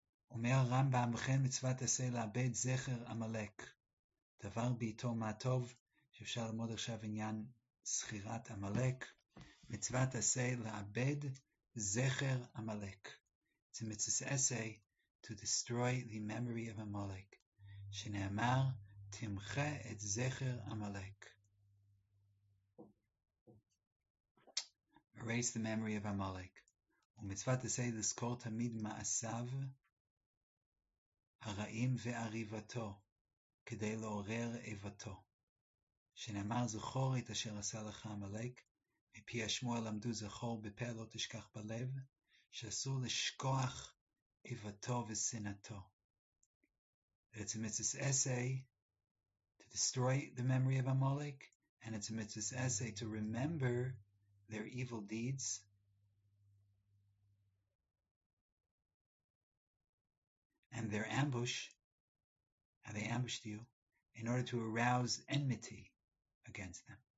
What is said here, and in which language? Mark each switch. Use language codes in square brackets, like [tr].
[he] אומר הרמב״ם וכן מצוות עשה לאבד זכר עמלק, דבר בעיתו מה טוב, שאפשר ללמוד עכשיו עניין זכירת עמלק, מצוות עשה לאבד זכר עמלק. [en] It's a mitzvah essay to destroy the memory of Amalek, [he] שנאמר תמחה את זכר עמלק. [en] Erase the memory of Amalek. [he] ומצוות עשה לזכור תמיד מעשיו, הרעים ועריבתו, כדי לעורר איבתו. שנאמר זכור את אשר עשה לך עמלק, מפי השמועה למדו זכור בפה לא תשכח בלב, שאסור לשכוח איבתו ושנאתו. [en] It's a mitzvah essay to destroy the memory of Amalek, and it's a mitzvah essay to remember their evil deeds. And their ambush, how they ambushed you, in order to arouse enmity against them.